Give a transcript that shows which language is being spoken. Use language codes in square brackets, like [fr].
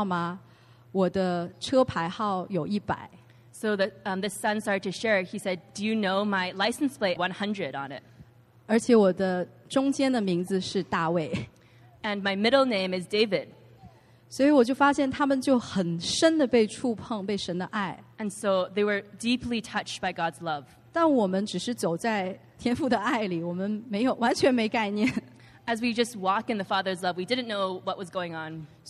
[zh] 然后那个儿子就开始说话，他说，你知道吗？我的车牌号有100. [en] So the son started to share. He said, "Do you know my license plate 100 on it?" [zh] 而且我的中间的名字是大卫。 [en] And my middle name is David. [zh] 所以我就发现他们就很深地被触碰，被神的爱。 [en] And so they were deeply touched by God's love. [zh] 但我们只是走在天父的爱里，我们没有完全没概念。 [en] As we just walk in the Father's love, we didn't know what was going on.